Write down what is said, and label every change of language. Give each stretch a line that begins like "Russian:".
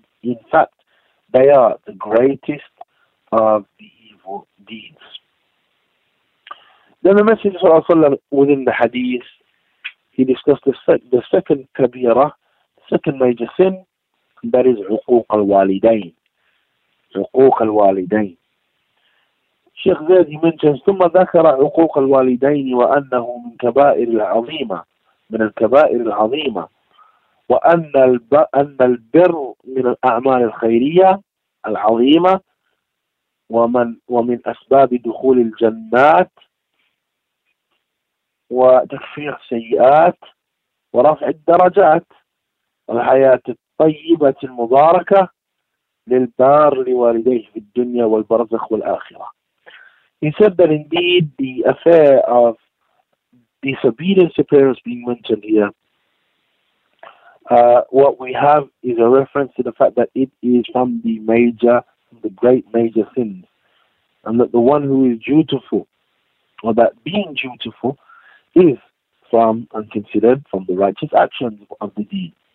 English: In fact, they are the greatest of the evil deeds. Then the message of Allah Sallam within the hadith, he discussed the second kabira, second major sin, that is uquq al-walidain. Uquq al-walidain.
Arabic: Sheikh Zayd,
English: he mentions,
Arabic: ثم ذكر عقوق الوالدين وأنه من كبائر العظيمة من الكبائر العظيمة وأن أن البر من الأعمال الخيرية العظيمة ومن أسباب دخول الجنات وتكفير السيئات ورفع الدرجات والحياة الطيبة المباركة للبار لوالديه في الدنيا والبرزخ والآخرة.
English: He said that indeed the affair of disobedience to parents being mentioned here, what we have is a reference to the fact that it is from the major, the great major sins. And that the one who is dutiful, or that being dutiful, is from and considered from the righteous actions of the deed.